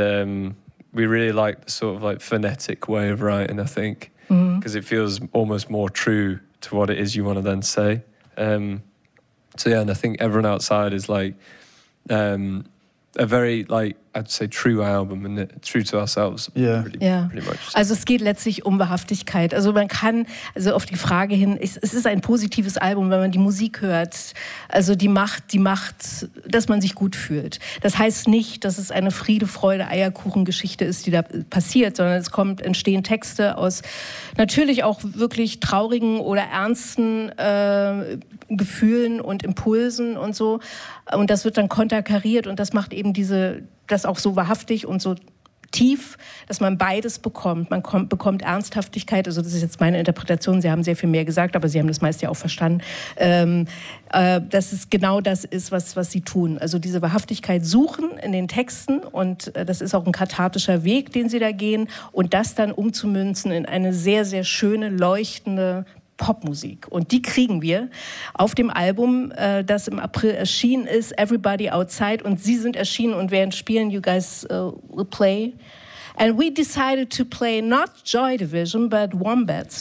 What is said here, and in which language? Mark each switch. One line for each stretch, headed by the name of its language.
English: And we really like the sort of like phonetic way of writing, I think. Because it feels almost more true to what it is you want to then say. And I think everyone outside is like a very, like, I'd say true album and true to ourselves. Pretty much.
German: Also es geht letztlich um Wahrhaftigkeit. Also man kann, also auf die Frage hin, es ist ein positives Album, wenn man die Musik hört. Also die macht, dass man sich gut fühlt. Das heißt nicht, dass es eine Friede, Freude, Eierkuchen-Geschichte ist, die da passiert, sondern entstehen Texte aus natürlich auch wirklich traurigen oder ernsten Gefühlen und Impulsen und so. Und das wird dann konterkariert und das macht eben diese, das auch so wahrhaftig und so tief, dass man beides bekommt. Man bekommt Ernsthaftigkeit, also das ist jetzt meine Interpretation, Sie haben sehr viel mehr gesagt, aber Sie haben das meist ja auch verstanden, dass es genau das ist, was Sie tun. Also diese Wahrhaftigkeit suchen in den Texten und das ist auch ein kathartischer Weg, den Sie da gehen und das dann umzumünzen in eine sehr, sehr schöne, leuchtende Popmusik. Und die kriegen wir auf dem Album, das im April erschienen ist, Everybody Outside. Und sie sind erschienen und werden spielen.
English: You guys will play. And we decided to play not Joy Division, but Wombats.